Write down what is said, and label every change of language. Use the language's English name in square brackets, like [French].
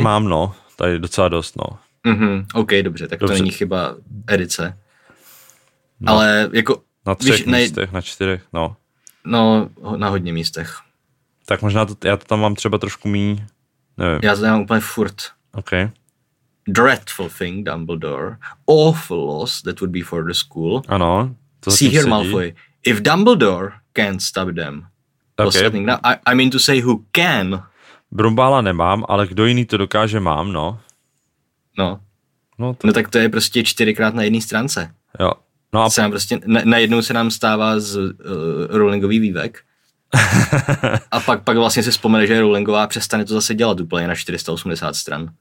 [Czech] Mám, no. Tady docela dost, no. Mm-hmm, ok, dobře, tak dobře. To není chyba edice. No. Ale jako... Na třech víš, místech, na čtyřech, no. No, na hodně místech. Tak možná, to, já to tam mám třeba trošku míň, nevím. Já to mám úplně furt. Ok. [English] Dreadful thing, Dumbledore. Awful loss that would be for the school. [Czech] Ano, to zatím [English] see here, [Czech] sedí. [English] Malfoy. If Dumbledore can't stop them. Okay. Now, I mean to say who can... [Czech] Brumbála nemám, ale kdo jiný to dokáže, mám, no. No. No, to... no tak to je prostě čtyřikrát na jedné stránce. Jo. No a... se nám prostě, najednou se nám stává z Rowlingový vývek. A pak vlastně si vzpomene, že je Rowlingová a přestane to zase dělat úplně na 480 stran.